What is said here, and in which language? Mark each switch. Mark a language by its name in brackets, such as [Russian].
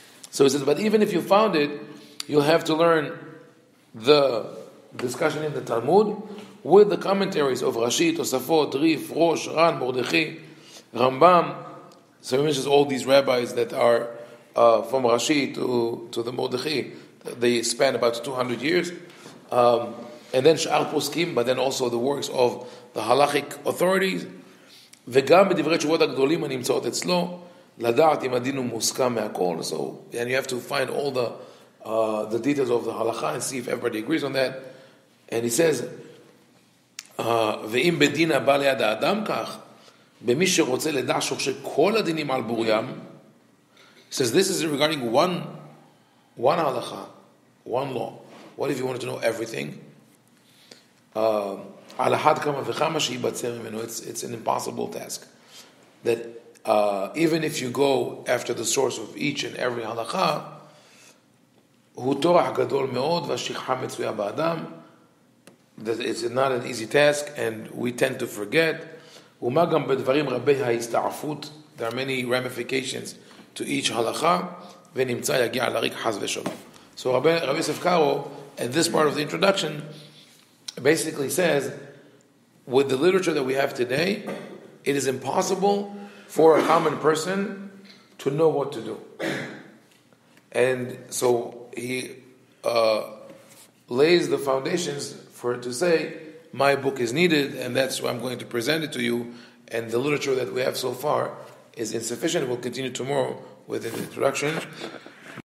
[English] So he says, but even if you found it, you'll have to learn the discussion in the Talmud with the commentaries of Rashi, Tosafot, Rif, Rosh, Ran, Mordechi, Rambam. So he mentions all these rabbis that are from Rashi to the Mordechi. They span about 200 years. And then Sh'ar Poskim, but then also the works of the halachic authorities. [Hebrew] וגם בדברי תשובות הגדולים הנמצאות אצלו, לדעת אם הדין הוא מוסכם מהכל. [English] So, and you have to find all the details of the halakha and see if everybody agrees on that. And he says, [Hebrew] ואם בדין הבא ליד האדם כך, במי שרוצה לדע שורשי כל הדינים על בוריים, [English] he says, this is regarding one halakha, one law. What if you wanted to know everything? [Hebrew] על אחד כמה וכמה שיבצר ממנו, [English] it's an impossible task. That even if you go after the source of each and every halakha, [Hebrew] הוא תורח גדול מאוד והשכחה מצויה באדם, [English] that it's not an easy task and we tend to forget. [Hebrew] ומה גם בדברים רבי ההסתעפות, [English] there are many ramifications to each halakha, [Hebrew] ונמצא יגיע לריק חז ושלום. [English] So רבי יוסף קארו, at this part of the introduction, basically says, with the literature that we have today, it is impossible for a common person to know what to do. And so he lays the foundations for it to say, my book is needed, and that's why I'm going to present it to you, and the literature that we have so far is insufficient. We'll continue tomorrow with an introduction.